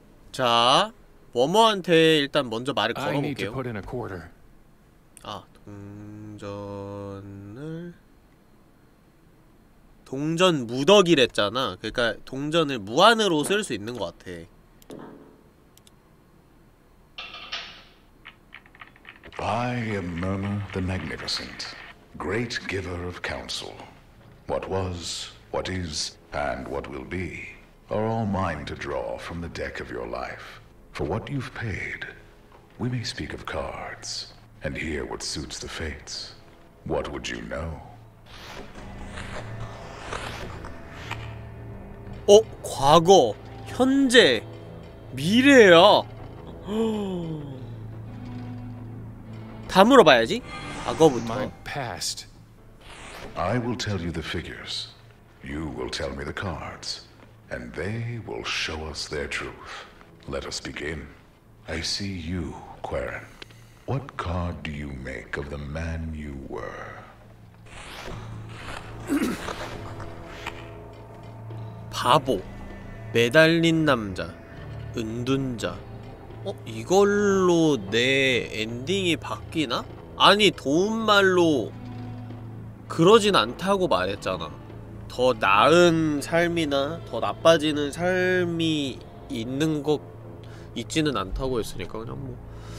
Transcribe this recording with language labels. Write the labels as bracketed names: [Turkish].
[Korean] 자 뭐뭐한테 일단 먼저 말을 걸어볼게요. 아 동전을 동전 무더기랬잖아. 그러니까 동전을 무한으로 쓸 수 있는 것 같아. [English] 아이엠머머 the magnificent great giver of counsel what was what is and what will be are all mine to draw from the deck of your life for what you've paid we may speak of cards And hear what suits the fates. What would you know? [Korean] 어? 과거, 현재, 미래야. 다 물어봐야지. 과거부터. [English] My past. I will tell you the figures. You will tell me the cards. And they will show us their truth. Let us begin. I see you, Quarren. What card do you make of the man you were? [Korean] 바보 매달린 남자 은둔자 어? 이걸로 내 엔딩이 바뀌나? 아니 도움말로 그러진 않다고 말했잖아 더 나은 삶이나 더 나빠지는 삶이 있는 것 있지는 않다고 했으니까 그냥 뭐